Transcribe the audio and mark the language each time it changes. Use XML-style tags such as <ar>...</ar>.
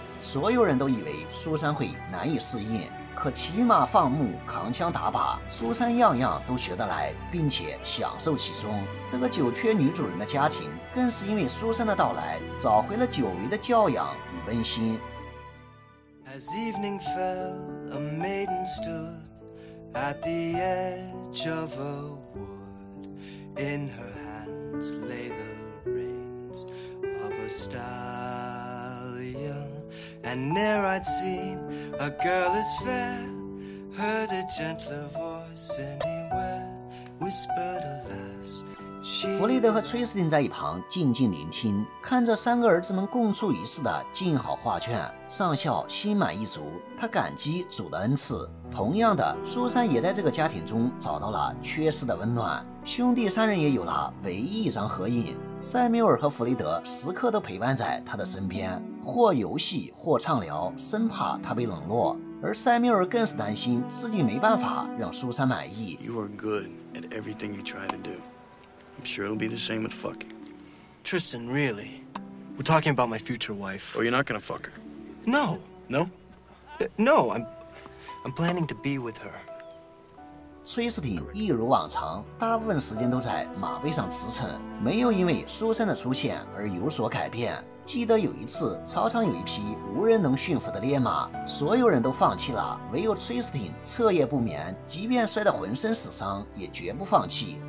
<zh>所有人都以为苏珊会难以适应，可骑马放牧、扛枪打靶，苏珊样样都学得来，并且享受其中。这个九缺女主人的家庭更是因为苏珊的到来找回了久违的教养与温馨。</zh> <en>As evening fell, a maiden stood at the edge of a wood. In her hands lay the reins of a stallion. And ne'er I'd seen a girl as fair, heard a gentler voice anywhere, whispered a lass.</en> <zh>弗雷德和崔斯汀在一旁静静聆听，看着三个儿子们共处一室的静好画卷，上校心满意足，他感激主的恩赐。同样的，苏珊也在这个家庭中找到了缺失的温暖，兄弟三人也有了唯一一张合影。塞缪尔和弗雷德时刻都陪伴在他的身边，或游戏或畅聊，生怕他被冷落。而塞缪尔更是担心自己没办法让苏珊满意。</zh> <en>You are good at everything you try to doI'm sure it'll be the same with fucking. Tristan, really? We're talking about my future wife. Oh, you're not gonna fuck her? No. No? No, I'm planning to be with her.</en> <zh>崔斯汀一如往常，大部分时间都在马背上驰骋，没有因为苏珊的出现而有所改变。记得有一次，操场有一匹无人能驯服的烈马，所有人都放弃了，唯有崔斯汀彻夜不眠，即便摔得浑身是伤，也绝不放弃。</zh>